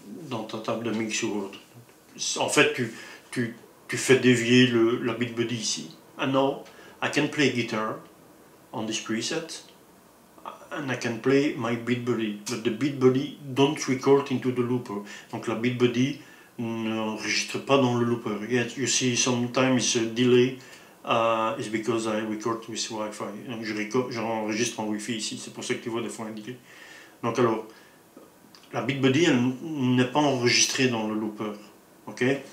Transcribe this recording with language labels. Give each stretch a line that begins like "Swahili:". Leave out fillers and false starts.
French: Dans ta table de mix ou autre. En fait, tu fais dévier la Beatbuddy ici.
English: And now, I can play guitar on this preset, and I can play my Beatbuddy. But the Beatbuddy don't record into the looper.
French: Donc la Beatbuddy n'enregistre pas dans le looper.
English: Yet, you see, sometimes it's a delay. It's because I record with Wi-Fi.
French: Donc j'enregistre en Wi-Fi ici. C'est pour ça que tu vois des fois un delay. Donc alors, la Beatbuddy elle n'est pas enregistrée dans le looper, ok?